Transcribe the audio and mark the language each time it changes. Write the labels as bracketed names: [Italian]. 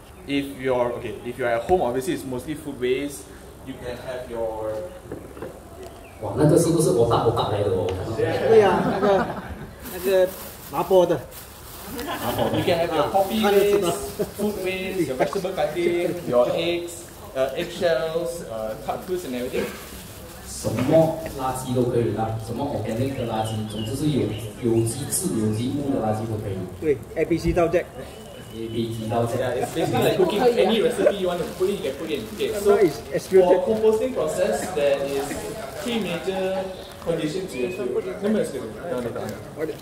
[English] If you're at home, obviously it's mostly food waste, you can have your... [Chinese] 哇，那个是不是我爸来的哦？对呀、啊，那个麻婆的。 [English] You can have your coffee waste, food waste, your vegetable cutting, your eggs, eggshells, cut fruits and everything. [Chinese] 什么垃圾都可以啦，什么organic的垃圾，总之是有机质、有机物的垃圾都可以。对，A B C 到 Z。A B C 到 [English] Z。Yeah, it's basically like cooking any recipe you want to put in, you can put in. Okay, so for composting process, there is three major conditions you have to.